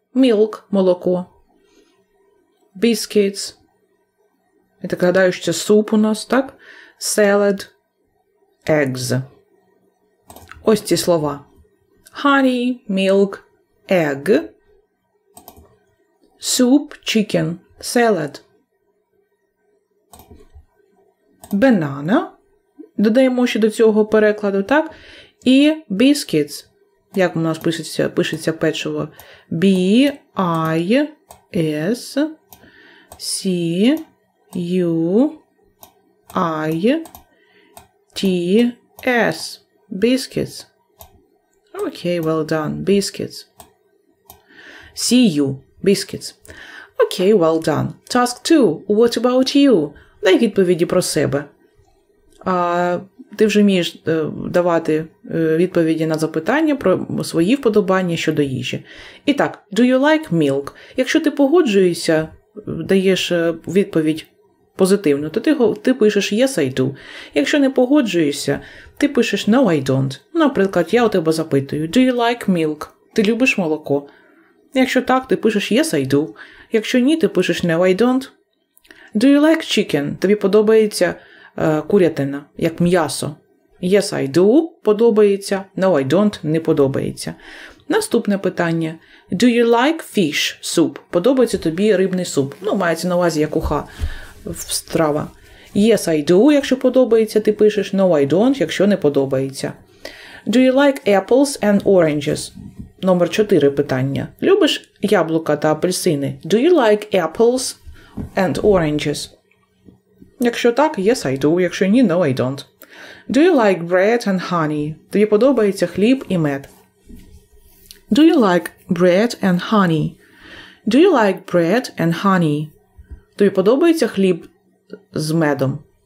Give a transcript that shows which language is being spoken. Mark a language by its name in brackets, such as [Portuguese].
[English] Milk, [Ukrainian] молоко, [English] biscuits. [Ukrainian] Я так гадаю, що суп у нас, так? Salad, eggs. Ось ці слова. [English] Honey, milk, egg, soup, chicken, salad, banana, [Ukrainian] додаємо ще до цього перекладу, так, і biscuits, як у нас пишеться печиво, B-I-S-C-U-I-T-S, biscuits. [English] Окей, well done. Biscuits. See you. Biscuits. Окей, well done. Task 2. What about you? [Ukrainian] Дай відповіді про себе. Ти вже вмієш давати відповіді на запитання про свої вподобання щодо їжі. І так, [English] do you like milk? [Ukrainian] Якщо ти погоджуєшся, даєш відповідь позитивно, то ти пишеш [English] yes, I do. [Ukrainian] Якщо не погоджуєшся, ти пишеш [English] no, I don't. [Ukrainian] Наприклад, я у тебе запитую, [English] do you like milk? [Ukrainian] Ти любиш молоко? Якщо так, ти пишеш [English] yes, I do. [Ukrainian] Якщо ні, ти пишеш [English] no, I don't. Do you like chicken? [Ukrainian] Тобі подобається курятина, як м'ясо. [English] Yes, I do. [Ukrainian] Подобається. [English] No, I don't. [Ukrainian] Не подобається. Наступне питання. [English] Do you like fish soup? [Ukrainian] Подобається тобі рибний суп? Ну, мається на увазі, як уха. Страва. [English] Yes, I do, [Ukrainian] якщо подобається, ти пишеш. [English] No, I don't, [Ukrainian] якщо не подобається. [English] Do you like apples and oranges? [Ukrainian] Номер 4 питання. Любиш яблука та апельсини? [English] Do you like apples and oranges? [Ukrainian] Якщо так, [English] yes, I do, [Ukrainian] якщо ні, [English] no, I don't. Do you like bread and honey? [Ukrainian] Тобі подобається хліб і мед? [English] Do you like bread and honey? Do you like bread and honey? [Ukrainian] Тобі подобається хліб з медом?